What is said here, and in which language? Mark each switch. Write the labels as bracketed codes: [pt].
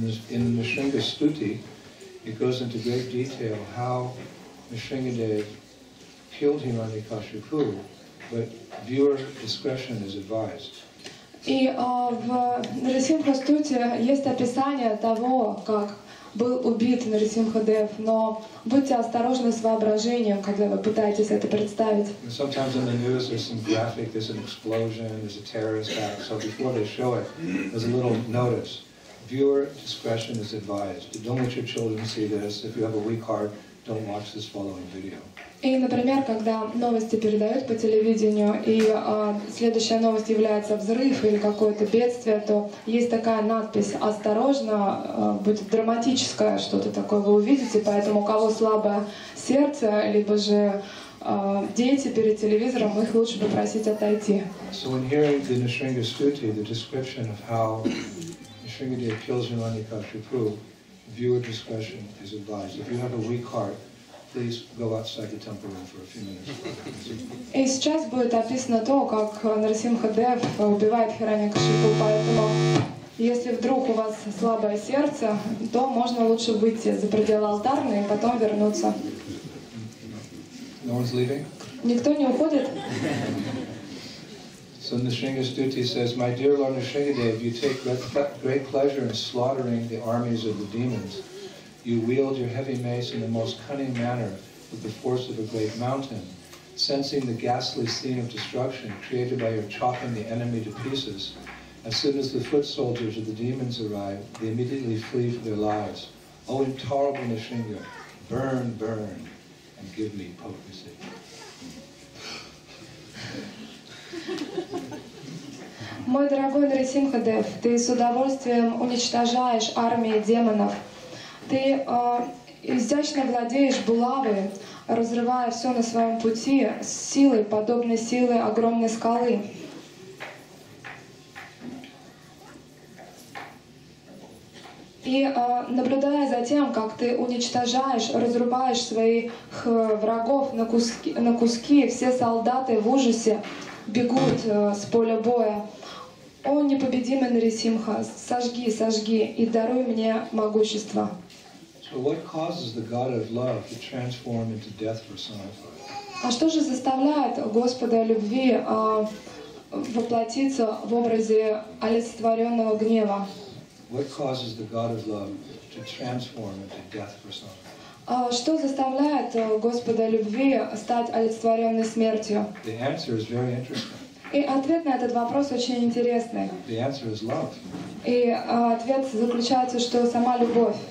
[en] In the Nrisimha Stuti, it goes into great detail how Nrisimhadev killed Hiranyakashipu, but viewer discretion is advised. [ru] И в Нрисимха Стути есть описание того, как был убит Нрисимхадев, но будьте осторожны с воображением, когда вы пытаетесь это представить. [en] Sometimes in the news there's some graphic, there's an explosion, there's a terrorist act, so before they show it, there's a little notice. Viewer discretion is advised. Don't let your children see this. If you have a weak heart, don't watch this following video. [ru] И, например, когда новости передают по телевидению, и следующая новость является взрыв или какое-то бедствие, то есть такая надпись: «Осторожно, будет драматическое что-то такое, вы увидите». Поэтому, у кого слабое сердце, либо же дети перед телевизором, их лучше попросить отойти. [en] So when hearing the Nrisimha Stuti, the description of how Nrisimhadev kills Hiranyakashipu, viewer discretion is advised. If you have a weak heart, please go outside the temple room for a few minutes. [ru] И сейчас будет описано то, как Нарисимхадев убивает Хираньякашипу, поэтому если вдруг у вас слабое сердце, то можно лучше выйти за пределы алтарной и потом вернуться. [en] No one's leaving? [ru] Никто не уходит? [en] So Nrisimha Stuti says, my dear Lord Nrisimhadev, you take great pleasure in slaughtering the armies of the demons. You wield your heavy mace in the most cunning manner with the force of a great mountain. Sensing the ghastly scene of destruction created by your chopping the enemy to pieces, as soon as the foot soldiers of the demons arrive, they immediately flee for their lives. Oh, intolerable Nrisimha, burn, burn, and give me potency. [ru] Мой дорогой Нрисимхадев, ты с удовольствием уничтожаешь армии демонов. Ты изящно владеешь булавой, разрывая все на своем пути с силой, подобной силы огромной скалы. И наблюдая за тем, как ты уничтожаешь, разрубаешь своих врагов на куски, все солдаты в ужасе бегут с поля боя. О, непобедимый Нарисимха, сожги, сожги и даруй мне могущество. [en] So what causes the God of love to transform into death personified? [ru] А что же заставляет Господа любви воплотиться в образе олицетворенного гнева. [en] What causes the God of love to transform into death persona? [ru] Что заставляет Господа любви стать олицетворенной смертью? [en] The answer is very interesting. [ru] И ответ на этот вопрос очень интересный. [en] The answer is love. [ru] И ответ заключается, что сама любовь.